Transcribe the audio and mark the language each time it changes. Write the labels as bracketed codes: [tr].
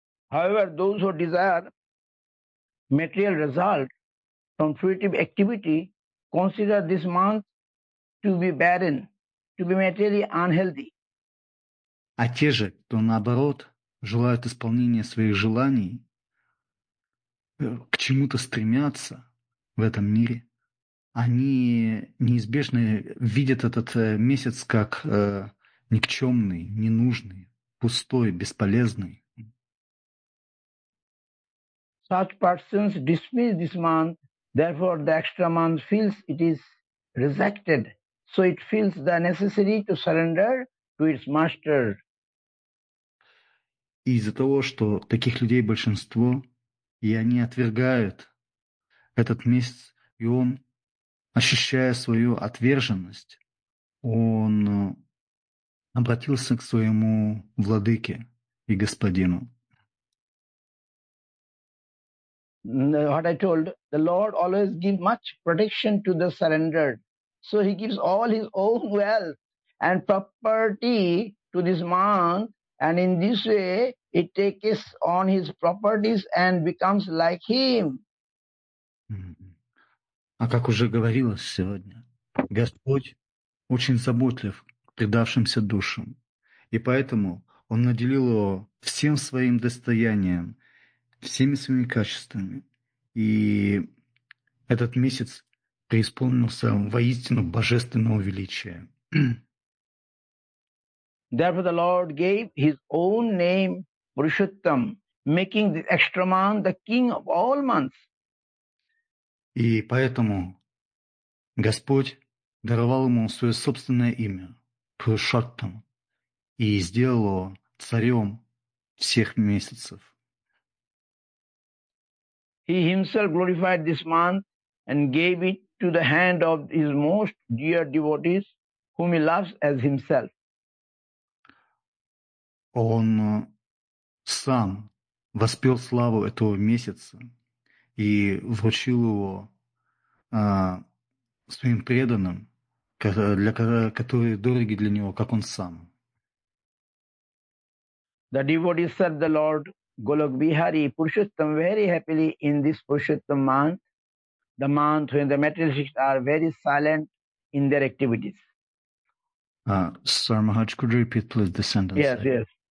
[en] However, those who desire material result from fruitive activity consider this month to be barren, to be materially unhealthy. [ru] А те же, кто наоборот, желают исполнения своих желаний, к чему-то стремятся в этом мире, они неизбежно видят этот месяц как никчемный, ненужный, пустой, бесполезный. [en] Such persons dismiss this month, therefore the extra month feels it is rejected, so it feels the necessary to surrender to its master. [ru] И из-за того, что таких людей большинство, и они отвергают этот месяц, и он, ощущая свою отверженность, он обратился к своему владыке и господину. [en] What I told, the Lord always gives much protection to the surrendered. So he gives all his own wealth and property to this man. And in this way, it takes on his properties and becomes like him. [ru] А как уже говорилось сегодня, Господь очень заботлив к предавшимся душам, и поэтому Он наделил его всем своим достоянием, всеми своими качествами, и этот месяц преисполнился воистину божественного величия. [en] Therefore, the Lord gave His own name, Purushottam, making the extra month the king of all months. [ru] И поэтому Господь даровал ему свое собственное имя, Пурушоттам, и сделал его царем всех месяцев. [en] He Himself glorified this month and gave it to the hand of His most dear devotees, whom He loves as Himself. [ru] Он сам воспел славу этого месяца и вручил его своим преданным, которые дороги для него, как он сам. [en] The devotees served the Lord Golok Bihari Purushottam very happily in this Purushottam month, the month when the materialists are very silent in their activities. Sir Mahaj, could you repeat please the sentence? Yes, yes.